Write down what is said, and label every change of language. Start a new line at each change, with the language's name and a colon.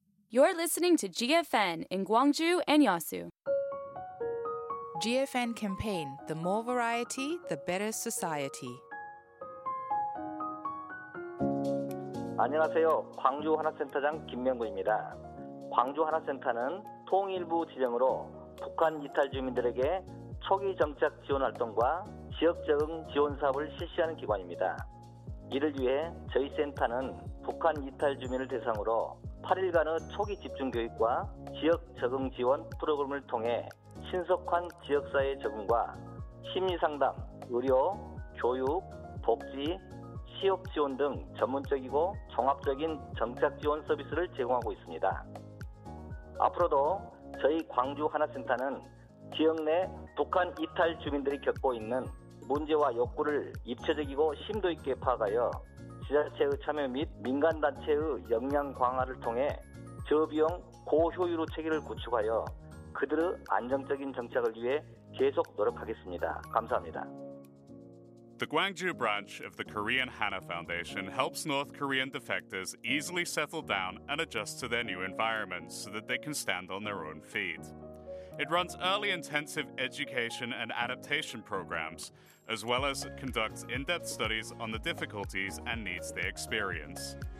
English: You're listening to GFN in Gwangju and Yeosu. GFN campaign, the more variety, the better society.
Korean: 안녕하세요. 광주 한화센터장 김명구입니다. 광주 한화센터는 통일부 지정으로 북한 이탈 주민들에게 초기 정착 지원 활동과 지역 적응 지원 사업을 실시하는 기관입니다. 이를 위해 저희 센터는 북한 이탈 주민을 대상으로 8일간의 초기 집중교육과 지역 적응 지원 프로그램을 통해 신속한 지역사회 적응과 심리상담, 의료, 교육, 복지, 취업 지원 등 전문적이고 종합적인 정착 지원 서비스를 제공하고 있습니다. 앞으로도 저희 광주 하나센터는 지역 내 북한 이탈 주민들이 겪고 있는 문제와 욕구를 입체적이고 심도 있게 파악하여 지자체의 참여 및 민간단체의 역량 강화를 통해 저비용 고효율의 체계를 구축하여 그들의 안정적인 정착을 위해 계속 노력하겠습니다. 감사합니다.
English: The Gwangju branch of the Korean Hana Foundation helps North Korean defectors easily settle down and adjust to their new environment so that they can stand on their own feet. It runs early intensive education and adaptation programs, as well as conducts in-depth studies on the difficulties and needs they experience.